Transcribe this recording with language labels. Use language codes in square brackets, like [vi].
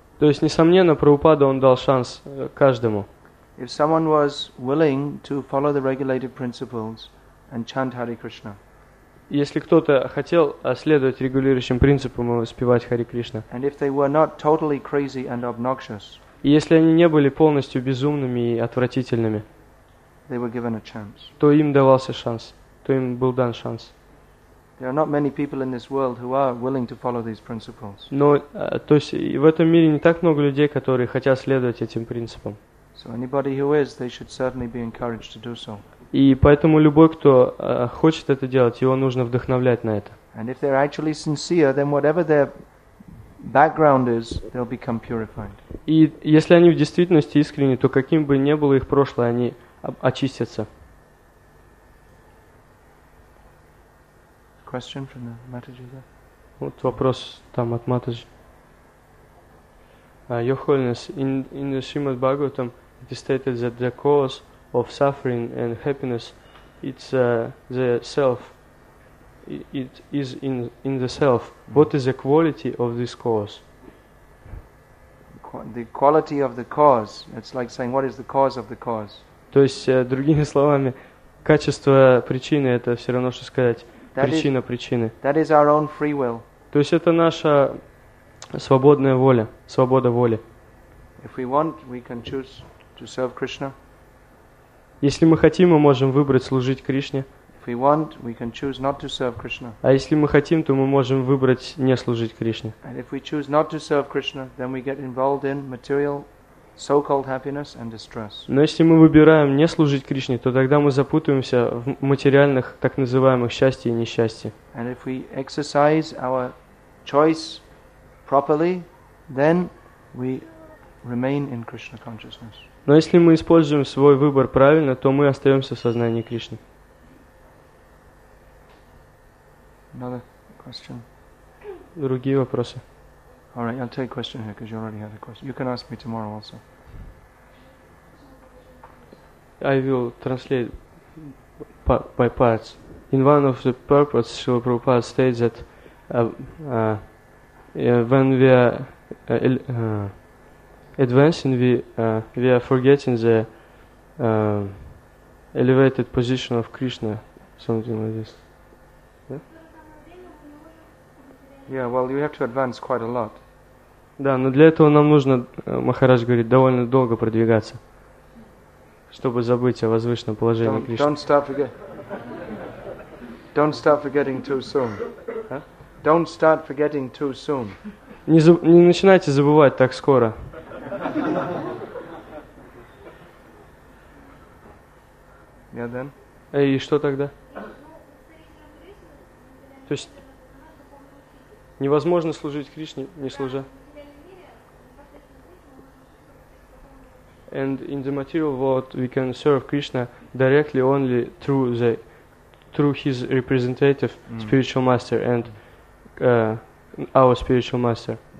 [ru] То есть несомненно, Прабхупада он дал шанс каждому. [en] If someone was willing to follow the regulated principles and chant Hare Krishna. [ru] если кто-то хотел следовать регулирующим принципам и воспевать Харе Кришна, [en] and if they were not totally crazy and obnoxious, [ru] если они не были полностью безумными и отвратительными, [en] they were given a chance. [ru] То им давался шанс, то им был дан шанс. [en] There are not many people in this world who are willing to follow these principles. [ru] Но, то есть, в этом мире не так много людей, которые хотят следовать этим принципам. [en] So anybody who is, they should certainly be encouraged to do so. [ru] И поэтому любой, кто хочет это делать, его нужно вдохновлять на это. [en] And if they're actually sincere, then whatever their background is, they'll become purified. [ru] И если они в действительности искренни, то каким бы ни было их прошлое, они очистятся. [en] Question from the Mataji. [ru] Вот вопрос там от Матаджи. [en] Your Holiness, in the Srimad Bhagavatam, it is stated that the cause of suffering and happiness, it's the self. It is in the self. Mm-hmm. What is the quality of this cause? The quality of the cause. It's like saying, what is the cause of the cause? [ru] То есть другими словами, качество причины — это все равно что сказать. Причина причины. [en] That is our own free will. [ru] То есть это наша свободная воля, свобода воли. [en] If we want, we can choose to serve Krishna. [ru] Если мы хотим, мы можем выбрать служить Кришне. [en] If we want, we can choose not to serve Krishna. [ru] А если мы хотим, то мы можем выбрать не служить Кришне. [en] And if we choose not to serve Krishna, then we get involved in material so-called happiness and distress. [ru] Но если мы выбираем не служить Кришне, то тогда мы запутаемся в материальных так называемых счастье и несчастье. [en] And if we exercise our choice properly, then we remain in Krishna consciousness. [ru] Но если мы используем свой выбор правильно, то мы остаемся в сознании Кришны. [en] Another question. [ru] Другие вопросы. [en] All right, I'll take a question here because you already had a question. You can ask me tomorrow also. I will translate by parts. In one of the purports, Srila Prabhupada states that when we are advancing, we are forgetting the elevated position of Krishna, something like this. Yeah, well, you have to advance quite a lot. [ru] Да, но для этого нам нужно, Махарадж говорит, довольно долго продвигаться, чтобы забыть о возвышенном положении Кришны. [en] Don't start forgetting too soon. Huh? Don't start forgetting too soon. [ru] Не начинайте забывать так скоро. [en] Yeah, then? [ru] И что тогда? То есть невозможно служить Кришне, не служа. [en] And in the material world, we can serve Krishna directly only through the his representative, spiritual master, and our spiritual master.